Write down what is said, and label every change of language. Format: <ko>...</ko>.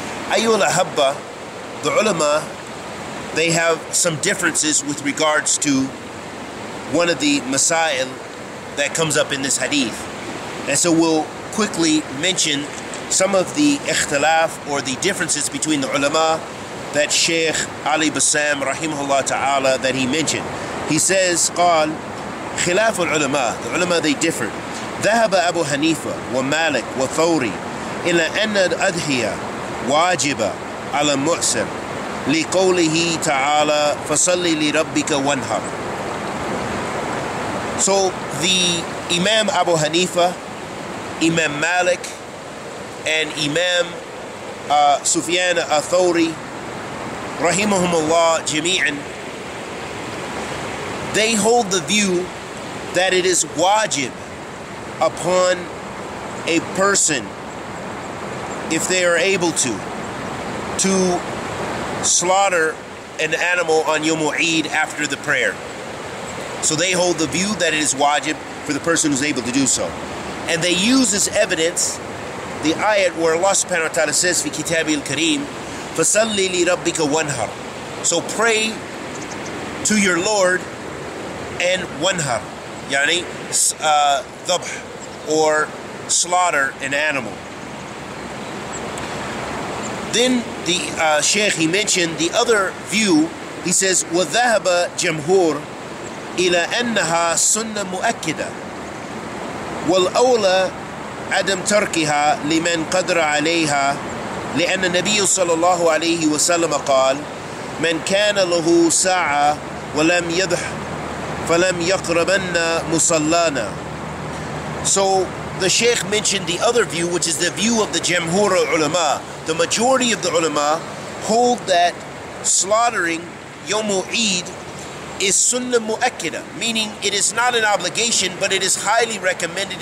<en>Ayyul Ahabba, the ulama, they have some differences with regards to one of the masail that comes up in this hadith. And so we'll quickly mention some of the ikhtilaf or the differences between the ulama that Sheikh Ali Bassam rahimahullah ta'ala that he mentioned. He says,</en> <ar>قال خلاف العلماء,</ar> <en>the ulama they differ.</en> <ar>ذهب أبو حنيفة ومالك وثوري إلى أن الأضحية واجبة على المعسر لقوله تعالى فصلي لربك وانهر.</ar> <en>So the Imam Abu Hanifa, Imam Malik, and Imam Sufyan al-Thawri, rahimahumullah jami'an, they hold the view that it is wajib upon a person, if they are able to slaughter an animal on Yom Eid after the prayer. So they hold the view that it is wajib for the person who's able to do so. And they use as evidence the ayat where Allah subhanahu wa ta'ala says,</en> <ar>fi kitabi al-kareem, فَصَلِّ لِرَبِّكَ وَنْهَرْ.</ar> <en>So pray to your Lord and wanhar, yani dhabh, or slaughter an animal. Then the Sheikh, he mentioned the other view. He says,</en> <ar>وَذَهَبَ جَمْهُورْ إلى أنها سنة مؤكدة والأولى عدم تركها لمن قدر عليها لأن النبي صلى الله عليه وسلم قال من كان له ساعة ولم يذح فلم يقربن مصلانا.</ar> <en>So the Sheikh mentioned the other view, which is the view of the Jamhur ulama. The majority of the ulama hold that slaughtering Yomu Eid is Sunnah Mu'akkidah, meaning it is not an obligation, but it is highly recommended.</en>